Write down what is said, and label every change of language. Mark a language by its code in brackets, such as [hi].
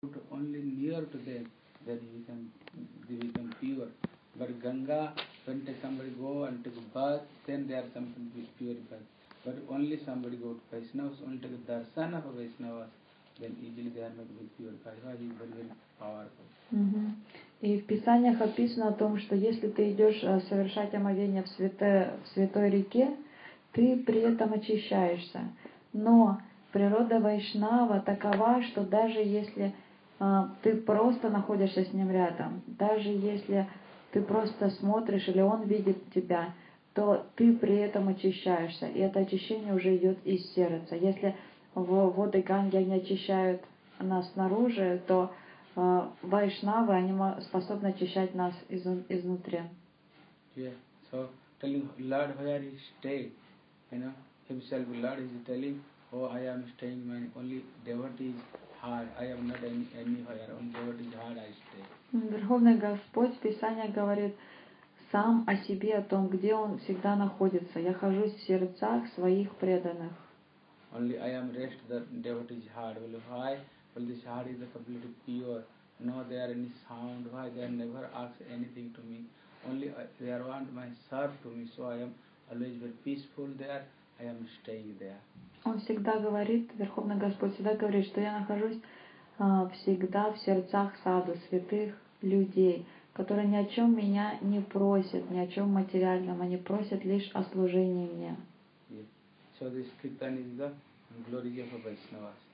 [en] only near to them, then he can give them pure. But Ganga, when somebody go and take a bath, then they are something which purified. But only somebody go to Vaishnavas, only take a darshan of Vaishnavas, then easily they are made purified. He is very, very powerful. [ru] И в Писаниях описано о том, что если ты идешь совершать омовение в святой реке, ты при этом очищаешься. Но природа Вайшнава такова, что даже если ты просто находишься с ним рядом, даже если ты просто смотришь или он видит тебя, то ты при этом очищаешься. И это очищение уже идет из сердца. Если воды Ганги они очищают нас снаружи, то Вайшнавы, они способны очищать нас изнутри. [en] Yeah. So, telling Lord where he stay, you know, himself, Lord is telling, oh, I am staying, man, only devotee's heart, I am not anywhere, only devotee's heart I stay. [ru] Верховный Господь в Писании говорит сам о себе, о том, где он всегда находится. Я хожу в сердцах своих преданных. [en] Only I am rest the devotee's heart. Well, why? Well, this heart is completely pure. No, there any sound. Why? They never ask anything to me. Only they want my serve to me. So I am always very peaceful there. I am staying there. [ru] Он всегда говорит, Верховный Господь всегда говорит, что я нахожусь всегда в сердцах саду, святых людей, которые ни о чем меня не просят, ни о чем материальном. Они просят лишь о служении мне. [en] Yeah. So this kirtan is the glory of Vaishnavas.